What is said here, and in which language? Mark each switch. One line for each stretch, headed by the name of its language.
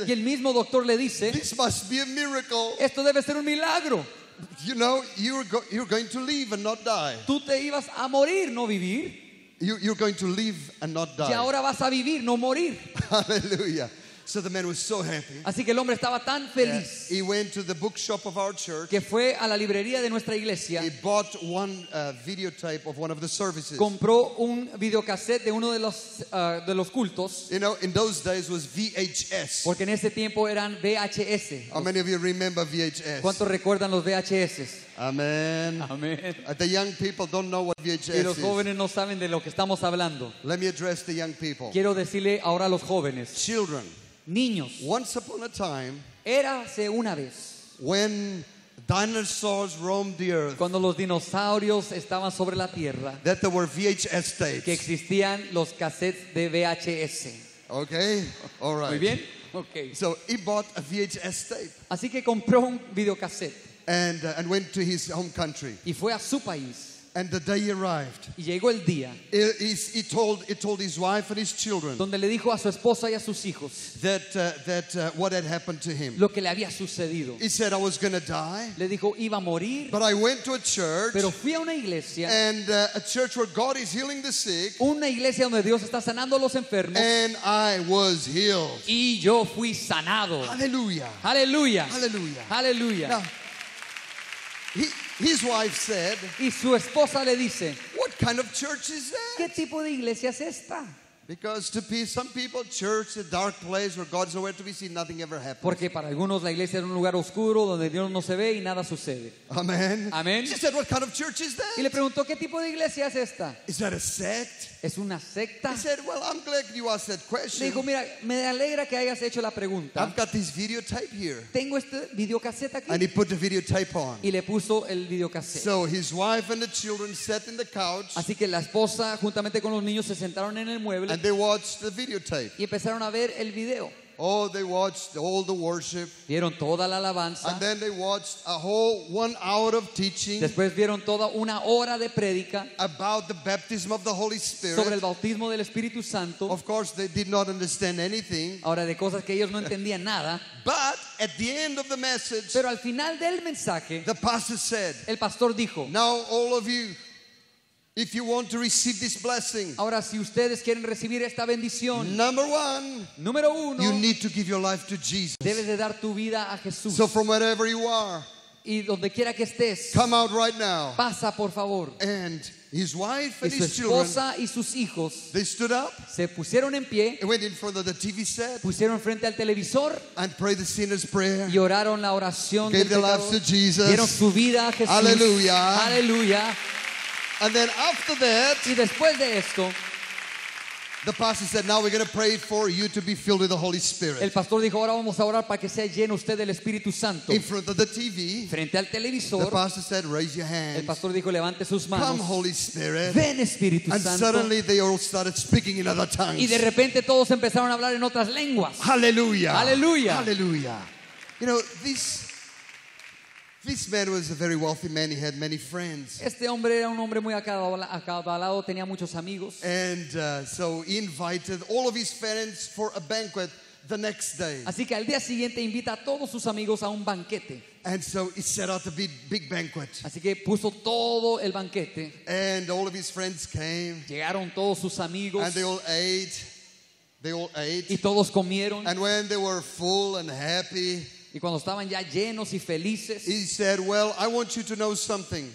Spanish: y el mismo doctor le dice,
English: "This must be a miracle."
Spanish: Esto debe ser un milagro.
English: You know, you're going to live and not die.
Spanish: Tú te ibas a morir, no vivir.
English: You're going to live and not die.
Spanish: Y ahora vas a vivir, no morir.
English: Hallelujah. So the man was so happy.
Spanish: Así que el hombre estaba tan feliz.
English: He went to the bookshop of our church.
Spanish: Que fue a la librería de nuestra iglesia.
English: He bought one videotape of one of the services.
Spanish: Compró un videocassette de uno de los cultos.
English: You know, in those days was VHS.
Spanish: Porque en ese tiempo eran VHS.
English: How many of you remember VHS?
Spanish: ¿Cuántos recuerdan los VHS?
English: Amen.
Spanish: Amen.
English: The young people don't know what VHS is.
Spanish: Y los jóvenes no saben de lo que estamos hablando.
English: Let me address the young people.
Spanish: Quiero decirle ahora a los jóvenes.
English: Children.
Spanish: Niños.
English: Once upon a time,
Spanish: érase una vez,
English: when dinosaurs roamed the earth,
Spanish: cuando los dinosaurios estaban sobre la tierra,
English: that there were VHS tapes,
Spanish: que existían los cassettes de VHS.
English: Okay, all right.
Spanish: Muy bien. Okay.
English: So he bought a VHS tape.
Spanish: Así que compró un videocassette.
English: And went to his home country.
Spanish: Y fue a su país.
English: And the day arrived.
Spanish: Y llegó el día.
English: He told his wife and his children.
Spanish: Donde le dijo a su esposa y a sus hijos.
English: That what had happened to him.
Spanish: Lo que le había sucedido.
English: He said, "I was going to die."
Spanish: Le dijo, iba a morir.
English: But I went to a church.
Spanish: Pero fui a una iglesia.
English: And a church where God is healing the sick.
Spanish: Una iglesia donde Dios está sanando a los enfermos.
English: And I was healed.
Spanish: Y yo fui sanado.
English: Hallelujah.
Spanish: Hallelujah.
English: Hallelujah.
Spanish: Hallelujah.
English: His wife said,
Spanish: y su esposa le dice,
English: "What kind of church is that?"
Spanish: ¿Qué tipo de iglesia es esta?
English: Because to be some people, church is a dark place where God is nowhere to be seen, nothing ever happens.
Spanish: Porque para algunos la iglesia es un lugar oscuro donde Dios no se ve y nada sucede.
English: Amen.
Spanish: Amen.
English: She said, "What kind of church is that?"
Spanish: Y le preguntó, ¿qué tipo de iglesia es esta?
English: Is that a sect?
Spanish: ¿Es una secta?
English: He said, "Well, I'm glad you asked that question."
Spanish: Le dijo, mira, me alegra que hayas hecho la pregunta.
English: I've got this videotape here.
Spanish: Tengo este videocassette aquí.
English: And he put the videotape on.
Spanish: Y le puso el videocassette.
English: So his wife and the children sat in the couch.
Spanish: Así que la esposa juntamente con los niños se sentaron en el mueble.
English: And they watched the videotape.
Spanish: Y empezaron a ver el video.
English: Oh, they watched all the worship.
Spanish: Vieron toda la alabanza.
English: And then they watched a whole 1 hour of teaching.
Spanish: Después vieron toda una hora de prédica.
English: About the baptism of the Holy Spirit.
Spanish: Sobre el bautismo del Espíritu Santo.
English: Of course, they did not understand anything.
Spanish: Ahora, de cosas que ellos no entendían nada.
English: But at the end of the message,
Spanish: pero al final del mensaje,
English: the pastor said,
Spanish: el pastor dijo,
English: now all of you, if you want to receive this blessing,
Spanish: ahora, si ustedes quieren recibir esta bendición,
English: number one,
Spanish: número uno,
English: you need to give your life to Jesus.
Spanish: Debes de dar tu vida a Jesús.
English: So from wherever you are,
Spanish: y donde quiera que estés,
English: come out right now.
Spanish: Pasa, por favor.
English: And his wife
Spanish: y su esposa y sus hijos,
English: they stood up,
Spanish: se pusieron en pie,
English: went in front of the TV set,
Spanish: pusieron frente al televisor,
English: and prayed the sinner's prayer,
Spanish: y oraron la oración,
English: gave their lives to Jesus,
Spanish: dieron su vida a Jesús. Aleluya. Aleluya.
English: And then after that,
Spanish: y después de esto,
English: the pastor said, now we're going to pray for you to be filled with the Holy Spirit.
Spanish: El pastor dijo, ahora vamos a orar para que sea lleno usted del Espíritu Santo.
English: In front of the TV,
Spanish: frente al televisor,
English: the pastor said, raise your hands.
Spanish: El pastor dijo, levante sus manos.
English: Come, Holy Spirit.
Spanish: Ven, Espíritu
English: and
Spanish: Santo.
English: And suddenly they all started speaking in other tongues.
Spanish: Y de repente todos empezaron a hablar en otras lenguas.
English: Hallelujah.
Spanish: Hallelujah.
English: Hallelujah. You know, this man was a very wealthy man. He had many friends.
Spanish: Este hombre era un hombre muy acabalado. Tenía muchos amigos.
English: And so he invited all of his friends for a banquet the next day.
Spanish: Así que al día siguiente invita a todos sus amigos a un banquete.
English: And so he set out a big banquet.
Spanish: Así que puso todo el banquete.
English: And all of his friends came.
Spanish: Llegaron todos sus amigos.
English: And they all ate. They all ate.
Spanish: Y todos comieron.
English: And when they were full and happy,
Spanish: y cuando estaban ya llenos y felices,
English: he said, well, I want you to know something.